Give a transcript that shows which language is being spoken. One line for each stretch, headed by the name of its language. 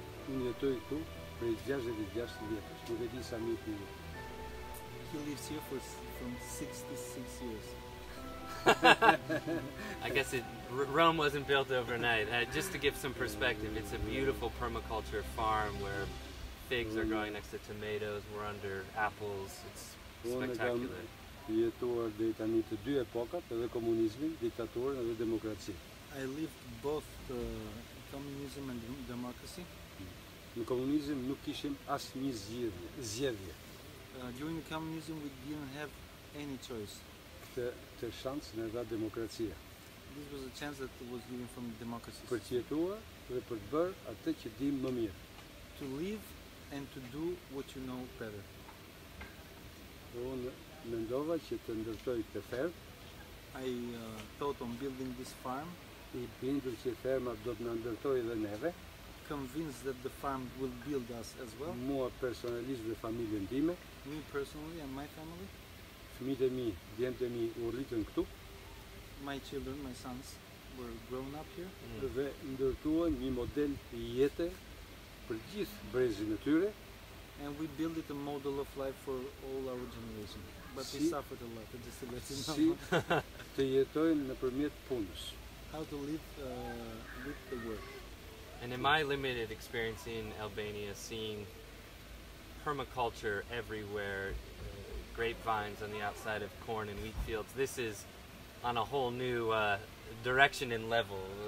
Albanian: Unë jetoj këtu prej 66 vjetës. Nuk e di sa mi ti.
English: He lives here for from 66 years. I guess Rome wasn't built overnight. Just to give some perspective, it's a beautiful permaculture farm where figs are growing next to tomatoes, we're under apples, it's spectacular.
Albanian: Unë kam jetuar deri tani të dy epokat, edhe komunizmin, diktaturën edhe demokracinë.
English: I lived both communism and democracy.
Albanian: Në komunizëm nuk kishim asnjë zgjedhje.
English: During communism we didn't have any choice.
Albanian: Këtë shansë në dha demokracia.
English: This was a chance that was given from democracy.
Albanian: Për të jetuar dhe për të bërë atë që dim më mirë.
English: To live and to do what you know better.
Albanian: Unë mendova që të ndërtoj këtë fermë.
English: I thought on building this farm.
Albanian: I bindur që ferma do të na ndërtoj edhe neve.
English: Convinced that the farm will build us as well.
Albanian: Mua personalisht dhe familjen time.
English: Me personally and my family.
Albanian: Fëmijët e mi, djemët e mi u rritën këtu.
English: My children, my sons, were grown up here.
Albanian: Dhe ndërtuan një model jete për gjithë brezin e tyre.
English: And we built it a model of life for all our generation. But
Albanian: si,
English: we suffered a lot, just to let you know.
Albanian: Si të jetojnë nëpërmjet punës.
English: How to live with the work. And in my limited experience in Albania, seeing permaculture everywhere, grapevines on the outside of corn and wheat fields, this is on a whole new direction and level.